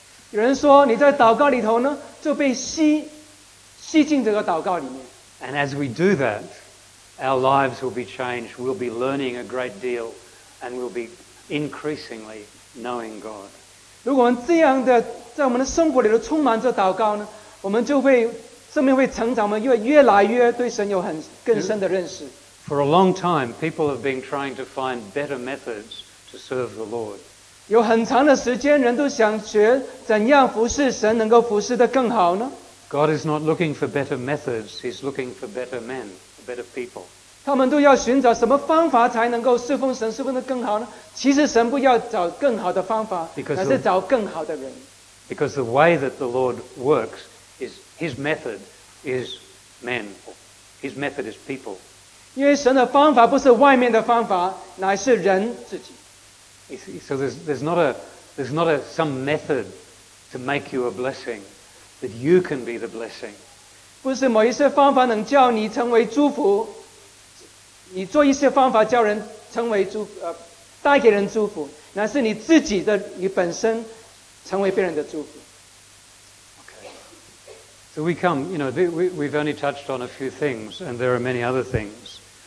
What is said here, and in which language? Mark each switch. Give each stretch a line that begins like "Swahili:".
Chinese: 有人说你在祷告里头呢，就被吸进这个祷告里面。
English: And as we do that, our lives will be changed. We'll be learning a great deal. And we'll be increasingly knowing God.
Chinese: 如果我们这样的在我们的生活里头充满着祷告呢，我们就会生命会成长，我们越来越对神有很更深的认识。
English: For a long time, people have been trying to find better methods to serve the Lord.
Chinese: 有很长的时间，人都想学怎样服侍神，能够服侍得更好呢？
English: God is not looking for better methods; He's looking for better men, better people.
Chinese: 他们都要寻找什么方法才能够侍奉神，侍奉得更好呢？其实神不要找更好的方法，而是找更好的人。
English: Because the way that the Lord works is His method is men. His method is people.
Chinese: 因为神的方法不是外面的方法，乃是人自己。
English: So there's not some method to make you a blessing, that you can be the blessing.
Chinese: 不是某一些方法能叫你成为祝福，你做一些方法叫人成为祝福，带给人祝福，乃是你自己的你本身成为别人的祝福。
English: So we come, you know, we've only touched on a few things, and there are many other things.